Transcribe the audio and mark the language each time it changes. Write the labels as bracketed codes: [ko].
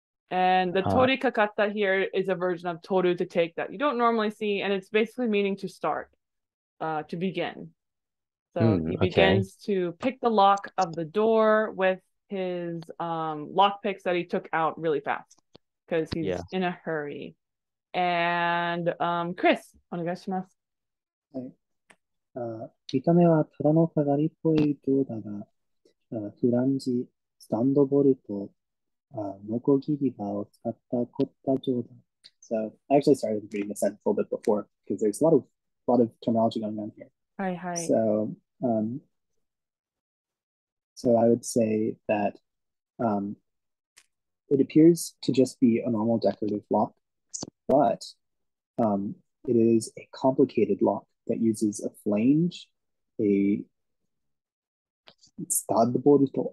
[en] And the tori kakata here is a version of toru to take that you don't normally see, and it's basically meaning to start, to begin. So he begins to pick the lock of the door with his lock picks that he took out really fast because he's in a hurry. And Chris, [ja] お願いします。はい。見た目はトラの飾りっぽいドアだが、フランジ、スタンドボルト、ノコギリバを使ったコッタジョーだ。 [en] So I actually started reading the sentence a little bit before because there's a lot of terminology going on here. [ja] はいはい。 [en] So so I would say that it appears to just be a normal decorative lock, but it is a complicated lock that uses a flange, a stud bolt.